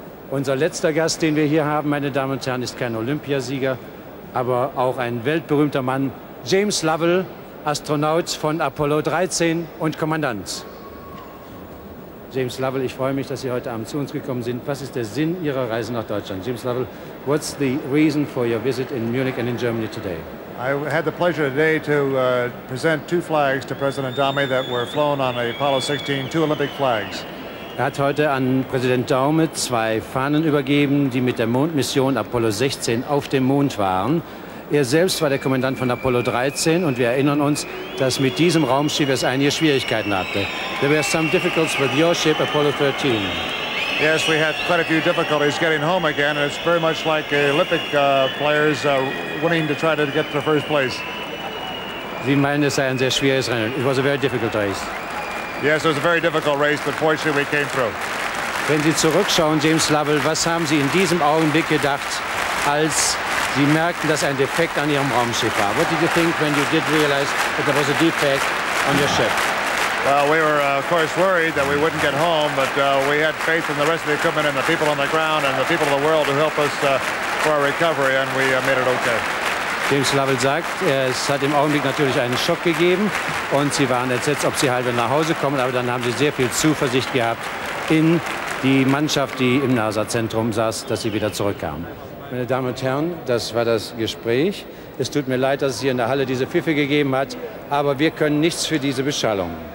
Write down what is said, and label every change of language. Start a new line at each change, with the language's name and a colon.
German: Unser letzter Gast, den wir hier haben, meine Damen und Herren, ist kein Olympiasieger, aber auch ein weltberühmter Mann, James Lovell, Astronaut von Apollo 13 und Kommandant. James Lovell, ich freue mich, dass Sie heute Abend zu uns gekommen sind. Was ist der Sinn Ihrer Reise nach Deutschland?
English: James Lovell, what's the reason for your visit in Munich and in Germany today? I had the pleasure today to present two flags to President Daume that were flown on Apollo 16, two Olympic flags.
German: Er hat heute an Präsident Daume zwei Fahnen übergeben, die mit der Mondmission Apollo 16 auf dem Mond waren. Er selbst war der Kommandant von Apollo 13 und wir erinnern uns, dass mit diesem Raumschiff es einige Schwierigkeiten hatte.
English: There were some difficulties with your ship, Apollo 13. Yes, we had quite a few difficulties getting home again, and it's very much like Olympic players wanting to try to get to first place.
German: Sie meinen, es sei ein sehr schwieriges Rennen.
English: It was a very difficult race. Yes, it was a very difficult race, but fortunately we came through.
German: Wenn Sie zurückschauen, James Lovell, was haben Sie in diesem Augenblick gedacht, als Sie merkten, dass ein Defekt an Ihrem Raumschiff war?
English: What did you think when you did realize that there was a defect on your ship? Well, we were, of course, worried that we wouldn't get home, but we had faith in the rest of the equipment and the people on the ground and the people of the world to help us for our recovery, and we made it okay.
German: James Lovell sagt, es hat im Augenblick natürlich einen Schock gegeben und Sie waren entsetzt, ob Sie halb nach Hause kommen, aber dann haben Sie sehr viel Zuversicht gehabt in die Mannschaft, die im NASA-Zentrum saß, dass Sie wieder zurückkamen. Meine Damen und Herren, das war das Gespräch. Es tut mir leid, dass es hier in der Halle diese Pfiffe gegeben hat, aber wir können nichts für diese Beschallung.